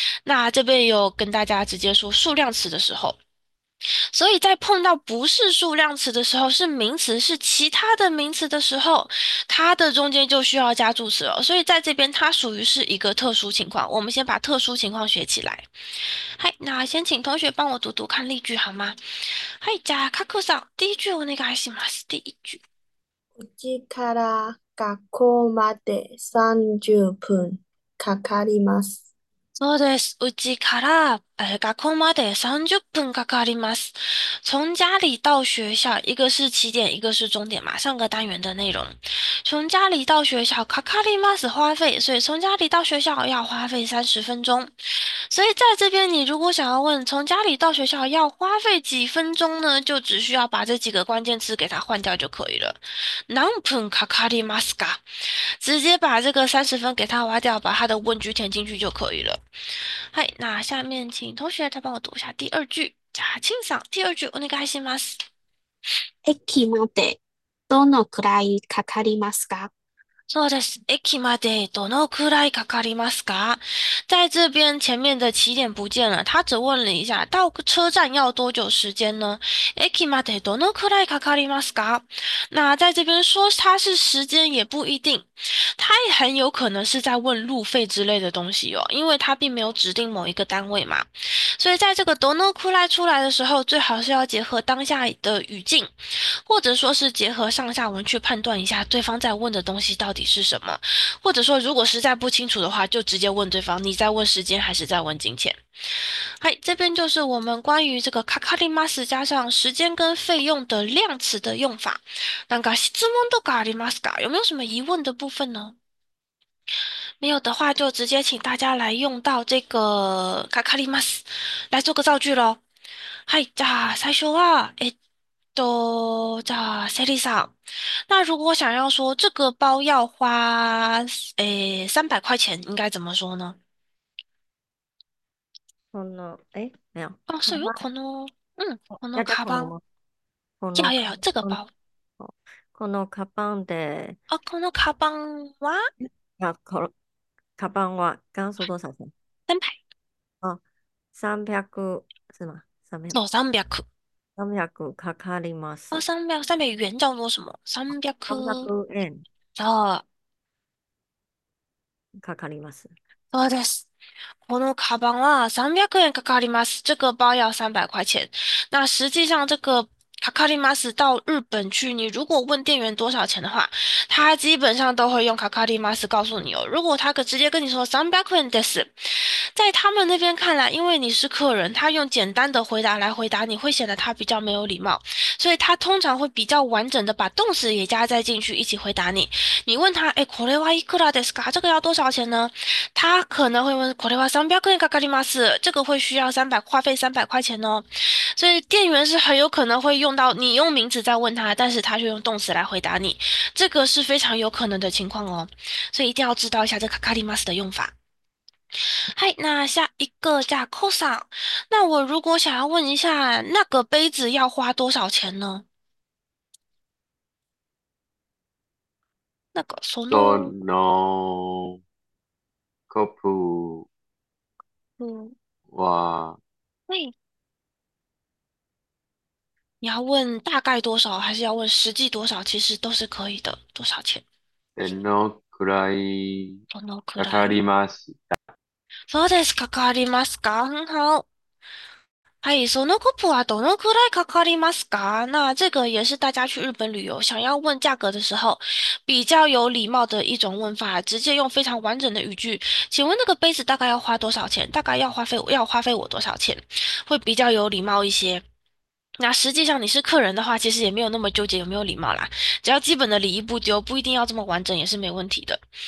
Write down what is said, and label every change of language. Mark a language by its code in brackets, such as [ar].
[zh] 那这边有跟大家直接说数量词的时候。所以在碰到不是数量词的时候，是名词，是其他的名词的时候，它的中间就需要加助词了。所以在这边，它属于是一个特殊情况。我们先把特殊情况学起来。嗨，那先请同学帮我读读看例句好吗？嗨，加卡库桑，第一句我那个还行吗？第一句。 [ja] 家から学校まで30分かかります。そうです。うちから学校まで30分かかります。 [zh] 从家里到学校，一个是起点，一个是终点嘛。上个单元的内容，从家里到学校，かかります花费，所以从家里到学校要花费30分钟。所以在这边，你如果想要问从家里到学校要花费几分钟呢，就只需要把这几个关键词给它换掉就可以了。 [ja] 何分かかりますか？ [zh] 直接把这个30分给它挖掉，把它的问句填进去就可以了。嗨，那下面请同学再帮我读一下第二句。 [ja] じゃあ、清さん、第二句お願いします。駅までどのくらいかかりますか？そうです。駅までどのくらいかかりますか？ [zh] 在这边前面的起点不见了，他只问了一下，到车站要多久时间呢？ [ja] 駅までどのくらいかかりますか？ [zh] 那在这边说它是时间也不一定，他也很有可能是在问路费之类的东西哦，因为他并没有指定某一个单位嘛。所以在这个どのくらい出来的时候，最好是要结合当下的语境，或者说是结合上下文去判断一下对方在问的东西到底是什么，或者说如果实在不清楚的话，就直接问对方你在问时间还是在问金钱。嗨，这边就是我们关于这个かかります加上时间跟费用的量词的用法。 [ja] なんか質問とかありますか？ [zh] 有没有什么疑问的部分呢？没有的话，就直接请大家来用到这个かかります来做个造句喽。 [ja] 嗨，じゃあ最初は じゃあセリさん。 [zh] 那如果想要说这个包要花300块钱，应该怎么说呢？ [ja] この、え、 [zh] 没有、哦，こその、有この要叫カこ [ja] バン。の、この、 [zh] 要这个包。 [ja] このカバンで、あ、このカバンは？あ、この、カバンは、 [zh] 元素多少钱？三百。あ、300、是吗？300。 [ja] そう、三百。 300かかります。 [zh] 300元叫做什么？三百。 [ja] 300円そう。かかります。そうです。このカバンは300円かかります。 [zh] 这个包要300块钱。那实际上这个かかります到日本去，你如果问店员多少钱的话，他基本上都会用かかります告诉你哦。如果他直接跟你说 [ja] 300円です， [zh] 在他们那边看来，因为你是客人，他用简单的回答来回答你，会显得他比较没有礼貌，所以他通常会比较完整的把动词也加在进去一起回答你。你问他， [ja] これはいくらですか？ [zh] 这个要多少钱呢？他可能会问， [ja] これは300円かかります。 [zh] 这个会需要花费300块钱哦。所以店员是很有可能会用到你用名词在问他，但是他却用动词来回答你，这个是非常有可能的情况哦，所以一定要知道一下这卡卡里玛斯的用法。嗨，那下一个叫 cosa，那我如果想要问一下，那个杯子要花多少钱呢？那个 sono， [ja] その커플は [zh] 你要问大概多少，还是要问实际多少？其实都是可以的。多少钱？ [ja] どのくらいどのくかからい？りました？そうです。かかりますか？ [zh] 很好。 [ja] はい、そのコップはどのくらいかかりますか？ [zh] 那这个也是大家去日本旅游想要问价格的时候，比较有礼貌的一种问法，直接用非常完整的语句，请问那个杯子大概要花多少钱？大概要花费我多少钱？会比较有礼貌一些。那实际上你是客人的话，其实也没有那么纠结有没有礼貌啦，只要基本的礼仪不丢，不一定要这么完整也是没问题的。